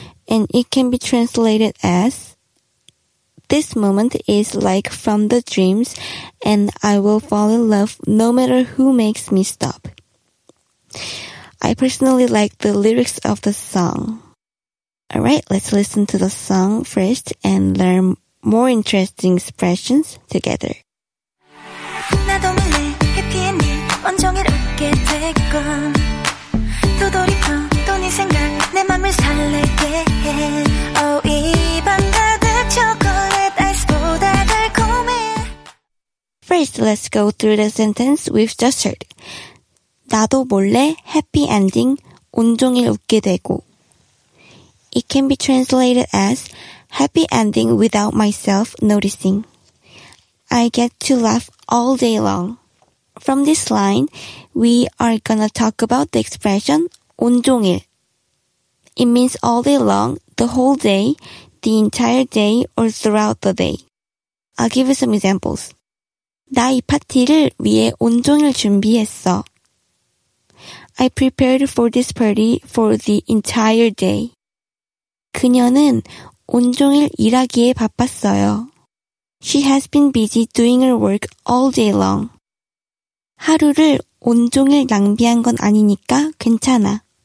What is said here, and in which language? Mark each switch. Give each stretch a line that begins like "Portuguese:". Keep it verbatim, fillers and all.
English: And it can be translated as This moment is like from the dreams, and I will fall in love no matter who makes me stop. I personally like the lyrics of the song. Alright, let's listen to the song first and learn more interesting expressions together.
Korean: 나도 몰래 해피한 일 온종일 웃게 될건 또 돌이켜 또 네 생각 내 맘을 설레게 해 Oh, 이 밤 가득 초콜릿 아이스보다 달콤해
English: First, let's go through the sentence we've just heard.
Korean: 나도 몰래 happy ending 온종일 웃게 되고
English: It can be translated as happy ending without myself noticing. I get to laugh all day long. From this line, we are gonna talk about the expression 온종일. It means all day long, the whole day, the entire day, or throughout the day. I'll give you some examples.
Korean: 나 이 파티를 위해 온종일 준비했어.
English: I prepared for this party for the entire day.
Korean: 그녀는 온종일 일하기에 바빴어요.
English: She has been busy doing her work all day long.
Korean: 하루를 온종일 낭비한 건 아니니까 괜찮아.